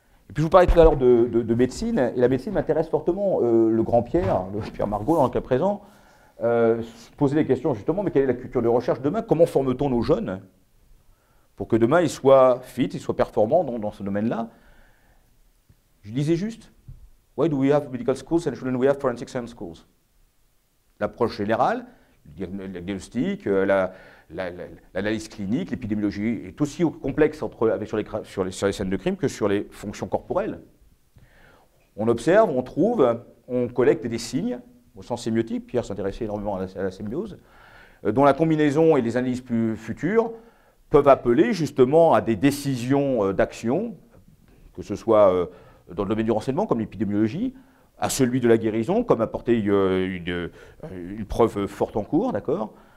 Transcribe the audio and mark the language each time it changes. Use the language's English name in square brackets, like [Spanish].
[French] Et puis je vous parlais tout à l'heure de médecine, et la médecine m'intéresse fortement. Le grand Pierre, le Pierre Margot dans le cas présent, poser des questions justement, mais quelle est la culture de recherche demain? Comment forme-t-on nos jeunes pour que demain ils soient fit, ils soient performants dans ce domaine-là? Je disais juste, [English] why do we have medical schools and shouldn't we have forensic science schools? [French] L'approche générale, le diagnostic, l'analyse clinique, l'épidémiologie est aussi complexe sur les scènes de crime que sur les fonctions corporelles. On observe, on trouve, on collecte des signes au sens sémiotique, Pierre s'intéressait énormément à la symbiose, dont la combinaison et les analyses plus futures peuvent appeler justement à des décisions d'action, que ce soit dans le domaine du renseignement, comme l'épidémiologie, à celui de la guérison, comme apporter une preuve forte en cours, d'accord.